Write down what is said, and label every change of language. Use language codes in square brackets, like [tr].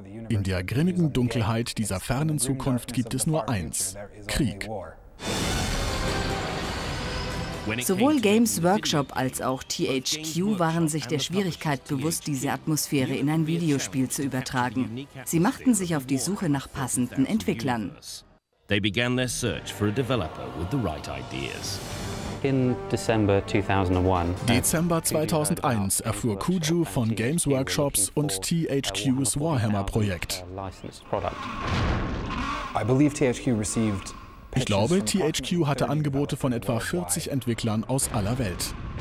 [de] In der grimmigen Dunkelheit dieser fernen Zukunft gibt es nur eins: Krieg. Sowohl Games Workshop als auch THQ waren sich der Schwierigkeit bewusst, diese Atmosphäre in ein Videospiel zu übertragen. Sie machten sich auf die Suche nach passenden Entwicklern. [en] They began their search for a developer with the right ideas. [de] Dezember 2001 erfuhr Kuju von Games Workshops und THQ's Warhammer-Projekt. Ich glaube, THQ hatte Angebote von etwa 40 Entwicklern aus aller Welt.